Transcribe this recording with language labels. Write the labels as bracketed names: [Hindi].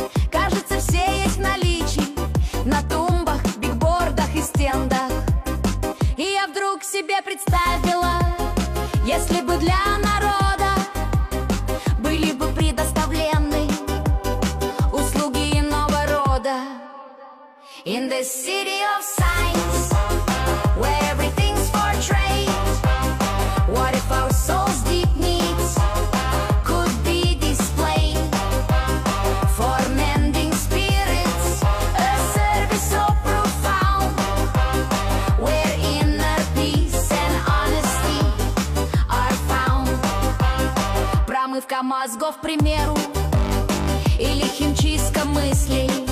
[Russian] Кажется, все есть в наличии. На тумбах, бигбордах и стендах. И я вдруг себе представила, если бы для народа были бы предоставлены услуги иного рода. [English] In the city of science, where everything's for trade. What if our soul's deep needs could be displayed for mending spirits? A service so profound, where inner peace and honesty are found. [Russian] Промывка мозгов, к примеру, или химчистка мыслей.